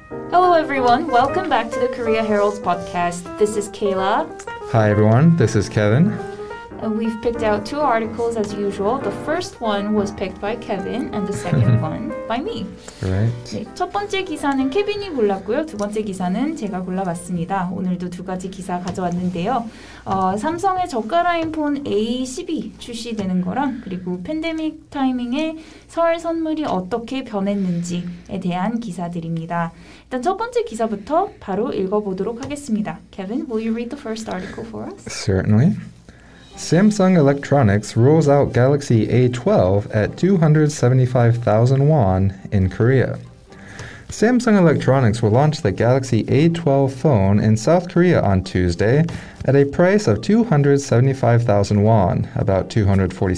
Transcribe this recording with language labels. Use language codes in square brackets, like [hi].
[en] Hello everyone, welcome back to the Korea Herald's podcast. This is Kayla. Hi everyone, this is Kevin. And we've picked out two articles as usual. The first one was picked by Kevin and the second one by me. Right. [ko] 네, 첫 번째 기사는 케빈이 골랐고요. 두 번째 기사는 제가 골라봤습니다. 오늘도 두 가지 기사 가져왔는데요. 삼성의 저가라인 폰 A12 출시되는 거랑 그리고 팬데믹 타이밍에 설 선물이 어떻게 변했는지에 대한 기사들입니다. 일단 첫 번째 기사부터 바로 읽어보도록 하겠습니다. [en] Kevin, will you read the first article for us? Certainly. Samsung Electronics rolls out Galaxy A12 at 275,000 won in Korea. Samsung Electronics will launch the Galaxy A12 phone in South Korea on Tuesday at a price of 275,000 won, about $246.